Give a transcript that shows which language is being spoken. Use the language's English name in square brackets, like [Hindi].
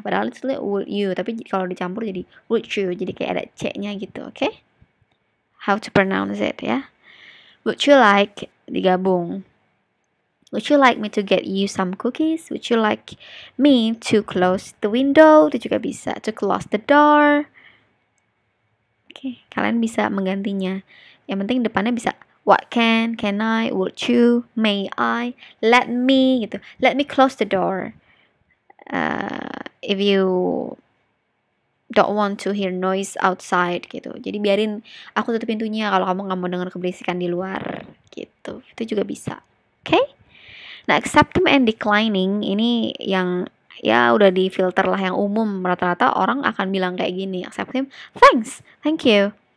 [Indonesian] Padahal itu sebenarnya [English] would you, [Indonesian] tapi kalau dicampur jadi would you. Jadi kayak ada C-nya gitu, oke? [English] Okay? How to pronounce it [Indonesian] ya. [English] Would you like, [Indonesian] digabung. [English] Would you like me to get you some cookies? Would you like me to close the window? [Indonesian] Itu juga bisa, [English] to close the door. Oke, okay. [Indonesian] Kalian bisa menggantinya. Yang penting depannya bisa. [English] What can I, would you, may I, let me, gitu. Let me close the door. If you don't want to hear noise outside, gitu. [Indonesian] Jadi biarin aku tutup pintunya kalau kamu gak mau dengar keberisikan di luar, gitu. Itu juga bisa, okay? Nah, [English] accepting and declining, [Indonesian] ini yang ya udah di filter lah yang umum. Rata-rata orang akan bilang kayak gini, [English] accepting, thanks, thank you.